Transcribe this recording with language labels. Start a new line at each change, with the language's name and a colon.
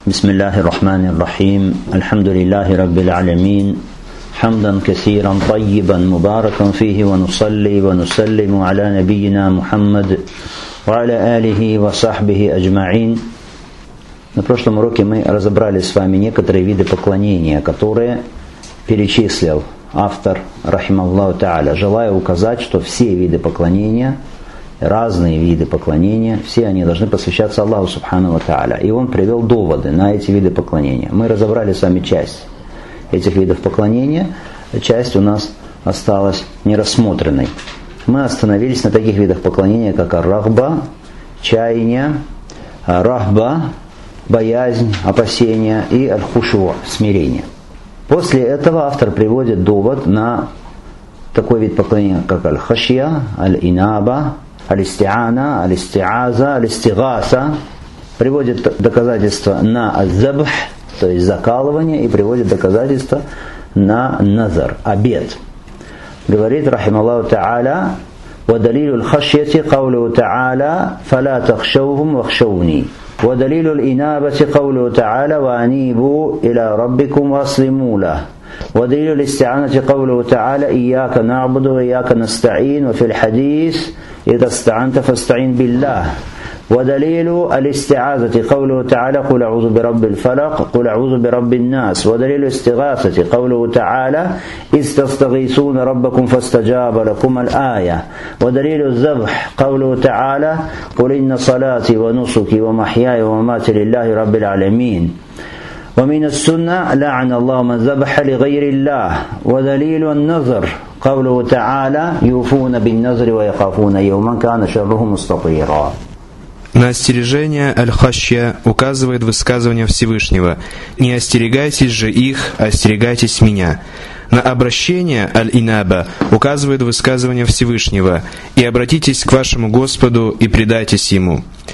Arabic: بسم الله الرحمن الرحيم الحمد لله رب العالمين حمدا كثيرا طيبا مباركا فيه ونصلي ونسلم على نبينا محمد وعلى آله وصحبه أجمعين.
Russian: На прошлом уроке мы разобрали с вами некоторые виды поклонения, которые перечислил автор, рахималлаху тааля, желая указать, что все виды поклонения, разные виды поклонения, все они должны посвящаться Аллаху Субхану ва Тааля. И он привел доводы на эти виды поклонения. Мы разобрали с вами часть этих видов поклонения, часть у нас осталась нерассмотренной. Мы остановились на таких видах поклонения, как ар-рахба, чаяние, рахба, боязнь, опасение, и аль-хушу, смирение. После этого автор приводит довод на такой вид поклонения, как аль-хашья, аль-инаба, аль-истиана, аль-истиаза, аль-истигаса, приводит доказательства на аз-забх, то есть закалывание, и приводит доказательства на назар, обет. Говорит
Arabic: рахималлаху тааля: «Ва далилу аль-хашьяти каулю тааля, фала тахшаухум вахшауни». ودليل الإنابة قوله تعالى وأنيبوا إلى ربكم وأسلموا له ودليل الاستعانة قوله تعالى إياك نعبد وإياك نستعين وفي الحديث إذا استعنت فاستعين بالله ودليل الاستعاذة قوله تعالى قل أعوذ برب الفلق قل أعوذ برب الناس ودليل الاستغاثة قوله تعالى إذ تستغيثون ربكم فاستجاب لكم الآية ودليل الذبح قوله تعالى قل إن صلاتي ونسكي ومحياي ومماتي لله رب العالمين ومن السنة لعن الله من ذبح لغير الله ودليل النذر قوله تعالى يوفون بالنذر ويخافون يوما كان شره مستطيرا.
Russian: На остережение Аль-Хашья указывает высказывание Всевышнего: «Не остерегайтесь же их, остерегайтесь меня». На обращение Аль-Инаба указывает высказывание Всевышнего: «И обратитесь к вашему Господу и предайтесь Ему».